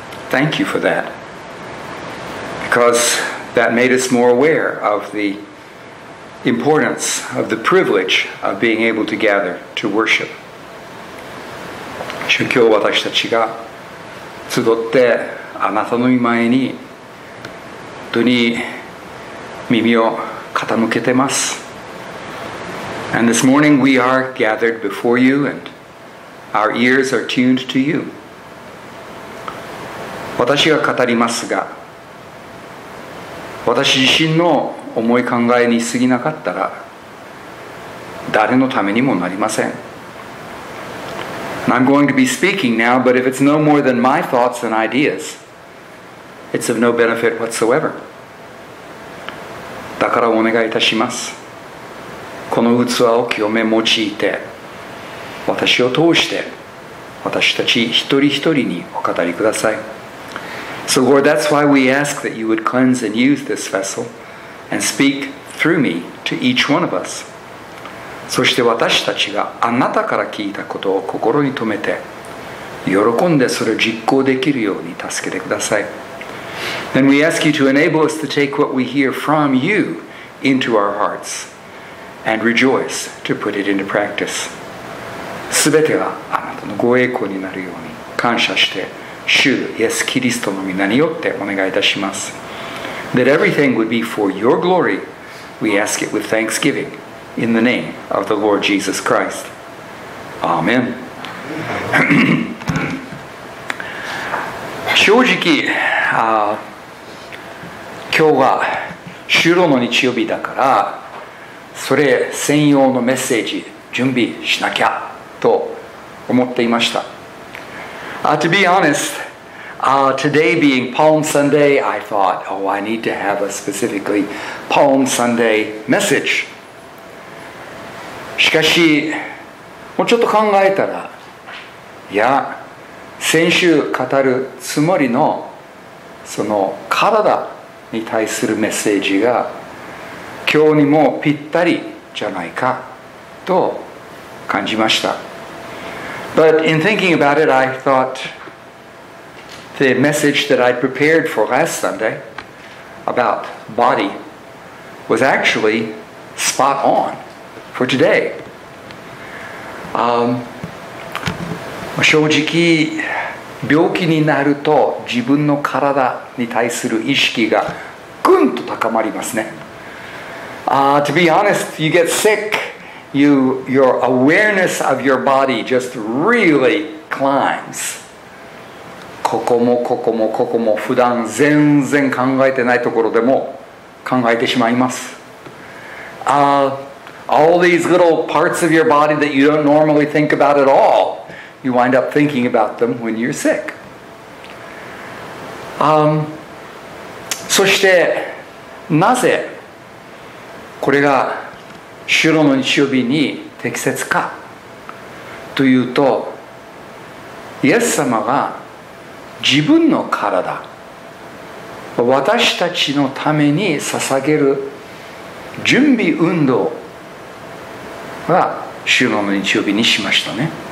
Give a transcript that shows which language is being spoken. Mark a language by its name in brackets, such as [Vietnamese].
[English] Thank you for that, because that made us more aware of the importance of the privilege of being able to gather to worship. [Japanese] 主、今日私たちが集ってあなたの御前に本当に耳を傾けてます。 [English] And this morning we are gathered before you, and our ears are tuned to you. [Japanese] 私が語りますが、私自身の思い考えに過ぎなかったら、誰のためにもなりません。 [English] And I'm going to be speaking now, but if it's no more than my thoughts and ideas, it's of no benefit whatsoever. [Japanese] だからお願いいたします。この器を清め用いて、私を通して私たち一人一人にお語りください。 [English] So Lord, that's why we ask that you would cleanse and use this vessel and speak through me to each one of us. [Japanese] そして私たちがあなたから聞いたことを心に留めて喜んでそれを実行できるように助けてください。 [English] Then we ask you to enable us to take what we hear from you into our hearts and rejoice to put it into practice. [Japanese] すべてはあなたのご栄光になるように感謝して主イエスキリストの御名によってお願いいたします。 [English] That everything would be for your glory, we ask it with thanksgiving in the name of the Lord Jesus Christ. Amen. [Japanese] 正直、今日は主労の日曜日だから、それ専用のメッセージ準備しなきゃ。と思っていました。 [English] To be honest, today being Palm Sunday, I thought, oh, I need to have a specifically Palm Sunday message. [Japanese] しかし、もうちょっと考えたら、いや、先週語るつもりのその体に対するメッセージが今日にもぴったりじゃないかと感じました。 [English] But in thinking about it, I thought the message that I'd prepared for last Sunday about body was actually spot on for today. [Japanese] 正直、病気になると自分の体に対する意識がぐんと高まりますね。 [English] To be honest, you get sick. Your awareness of your body just really climbs. [Japanese] ここもここもここも普段全然考えてないところでも考えてしまいます。 [English] All these little parts of your body that you don't normally think about at all, you wind up thinking about them when you're sick. [Japanese] そしてなぜこれが主労の日曜日に適切かというと、イエス様が自分の体、私たちのために捧げる準備運動は主労の日曜日にしましたね。